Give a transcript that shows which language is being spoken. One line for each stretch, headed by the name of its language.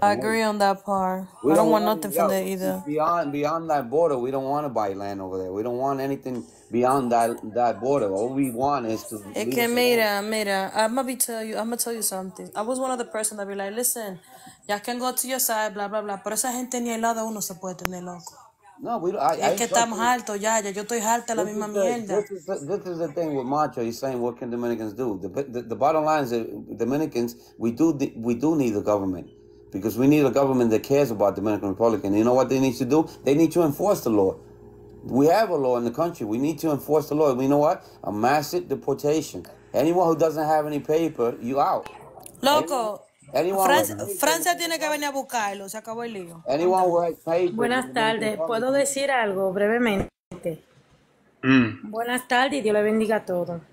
English: I agree on that part. We don't want anything from there either. Beyond that border, we don't want to buy land over there. We don't want anything beyond that border. All we want is to. Okay,
Spanish: Mira.
English: I'm gonna tell you something. I was one of the person that be like, listen. Ya can go to your side, blah, blah, blah.
Spanish: Pero esa gente ni al lado uno se puede tener loco.
English: No, we don't.
Spanish: Es que estamos hartos ya. Yo estoy harta de la misma mierda.
English: This is the thing with Macho. He's saying, what can Dominicans do? The bottom line is that Dominicans, we do need the government. Because we need a government that cares about Dominican Republic. And you know what they need to do? They need to enforce the law. We have a law in the country. We need to enforce the law. You know what? A massive deportation. Anyone who doesn't have any paper, you out.
Spanish: Loco. Francia tiene que venir a buscarlo, se acabó el lío.
English: Anyone who has paper,
Spanish: buenas tardes, ¿puedo decir algo brevemente? Mm. Buenas tardes y Dios le bendiga a todos.